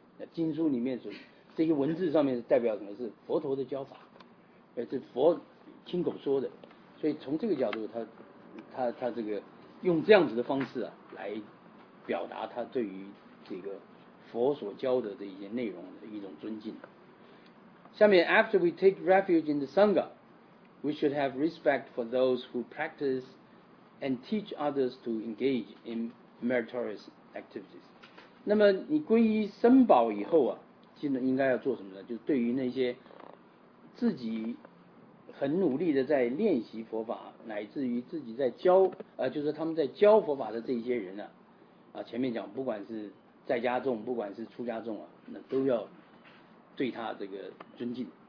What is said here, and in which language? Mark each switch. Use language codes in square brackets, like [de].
[zh] 那经书里面所这些文字上面代表什么？是佛陀的教法，而是佛亲口说的，所以从这个角度他这个用这样子的方式啊来表达他对于这个佛所教的这一些内容的一种尊敬。下面 [en] after we take refuge in the Sangha we should have respect for those who practice and teach others to engage in meritorious activities. [zh] 那么你皈依僧宝以后啊，应该要做什么呢？就对于那些自己很努力的在练习佛法，乃至于自己在教就是他们在教佛法的这些人啊前面讲不管是在家众不管是出家众啊，那都要对他这个尊敬。